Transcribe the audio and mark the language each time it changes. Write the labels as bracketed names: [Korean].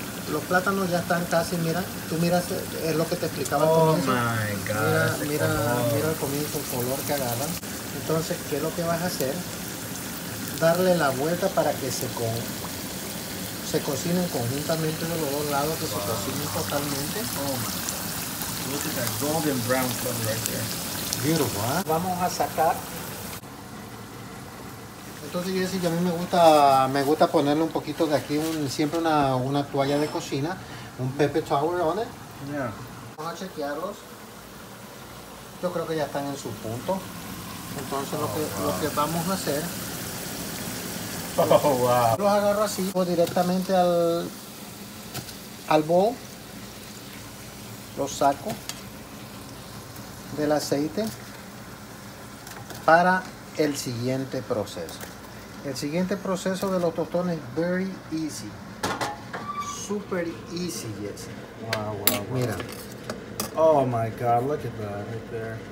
[Spanish] Los plátanos ya están casi, mira, tú miras, es lo que te explicaba. [English] Oh, my God. [Spanish] Mira el comienzo, el color que agarran. Entonces, ¿qué es lo que vas a hacer? Darle la vuelta para que se cocinen conjuntamente de los dos lados, que [English] wow. [Spanish] Se cocinen totalmente. [English] Oh, my. Look at that golden brown color right there. Beautiful, huh? [Spanish] Vamos a sacar. Entonces, Jesse, a mí me gusta ponerle un poquito de aquí, siempre una toalla de cocina, un [English] paper towel on it. Yeah. [Spanish] Vamos a chequearlos. Yo creo que ya están en su punto. Entonces, lo que vamos a hacer. Oh, wow. Los agarro así, voy directamente al bowl. Los saco del aceite para el siguiente proceso. El siguiente proceso de los tostones es [English] very easy. Super easy, yes. Wow. [Spanish] Mira. [English] Oh my God, look at that right there.